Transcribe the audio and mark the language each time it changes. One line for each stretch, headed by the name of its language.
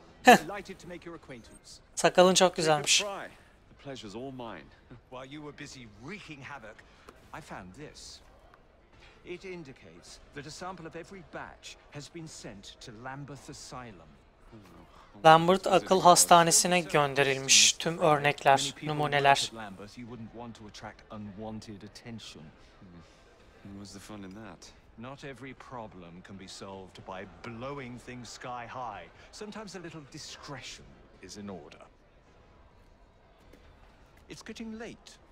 English: Delighted to make your acquaintance.
Turkish: Sakalın çok güzelmiş.
English: The pleasure's all mine. While you were busy wreaking havoc, I found this. It indicates that a sample of every batch has been sent to Lambeth Asylum.
Turkish: Lambert Akıl Hastanesi'ne gönderilmiş tüm örnekler, numuneler.
English: Lambeth, you wouldn't want to attract unwanted attention. What's the fun in that? Not every problem can be solved by blowing things sky high. Sometimes a little discretion is in order. It's getting late.